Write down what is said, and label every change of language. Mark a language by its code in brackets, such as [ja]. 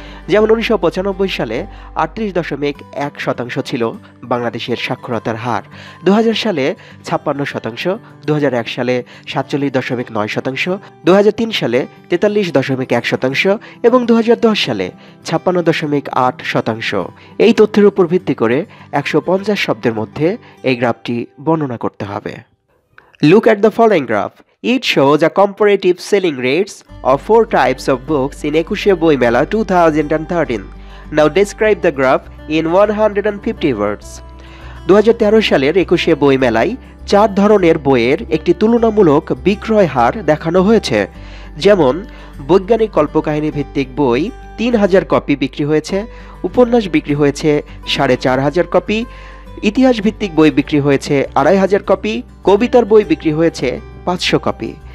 [bn] যেমন 1995 সালে 38.1% ছিল বাংলাদেশের সাক্ষরতার হার, 2000 সালে 56%, 2001 সালে 47.9%, 2003 সালে 43.1% এবং 2010 সালে 56.8%। এই তথ্যের উপর ভিত্তি করে 150 শব্দের মধ্যে এই গ্রাফটি বর্ণনা করতে হবে। [en] Look at the following graph. It shows a comparative selling rates of four types of books in Ekushe Boi Mela 2013. Now describe the graph in 150 words. [bn] 2013 সালের একুশে বই মেলায় চার ধরনের বইয়ের একটি তুলনামূলক বিক্রয় হার দেখানো হয়েছে। যেমন বৈজ্ঞানিক কল্পকাহিনী ভিত্তিক বই 3000 কপি বিক্রি হয়েছে, উপন্যাস বিক্রি হয়েছে 4500 কপি, ইতিহাস ভিত্তিক বই বিক্রি হয়েছে 2500 কপি, কবিতার বই বিক্রি হয়েছে 500 কপি।